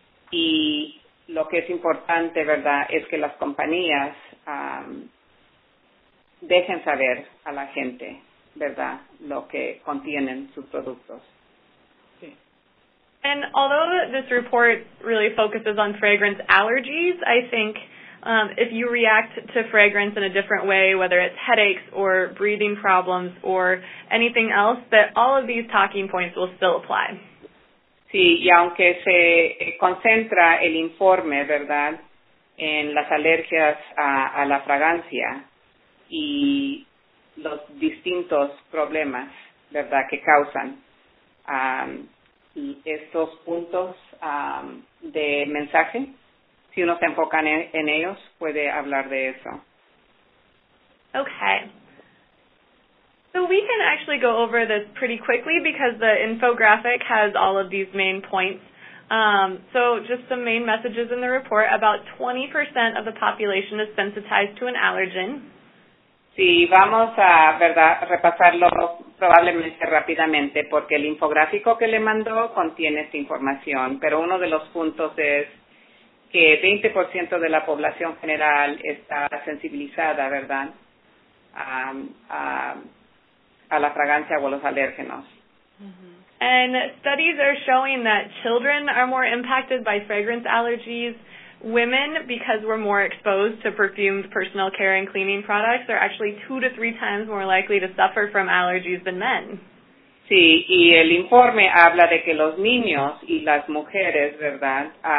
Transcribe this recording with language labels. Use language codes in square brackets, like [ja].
[es] Y lo que es importante, ¿verdad?, es que las compañías dejen saber a la gente, ¿verdad?, lo que contienen sus productos. Sí. [en] And although this report really focuses on fragrance allergies, I think if you react to fragrance in a different way, whether it's headaches or breathing problems or anything else, that all of these talking points will still apply. [es] Sí, y aunque se concentra el informe, ¿verdad?, en las alergias a la fragancia y los distintos problemas, ¿verdad?, que causan, y estos puntos de mensaje, si uno se enfoca en ellos, puede hablar de eso. [en] Okay. So we can actually go over this pretty quickly because the infographic has all of these main points. So just some main messages in the report. About 20% of the population is sensitized to an allergen. [es] Sí, vamos a, ¿verdad?, repasarlo probablemente rápidamente porque el infográfico que le mandó contiene esta información. Pero uno de los puntos es que 20% de la población general está sensibilizada, ¿verdad?, a la fragancia o a los alérgenos. Mm-hmm. [en] And studies are showing that children are more impacted by fragrance allergies. Women, because we're more exposed to perfumed personal care and cleaning products, are actually 2 to 3 times more likely to suffer from allergies than men. [es] Sí, y el informe habla de que los niños y las mujeres, ¿verdad?,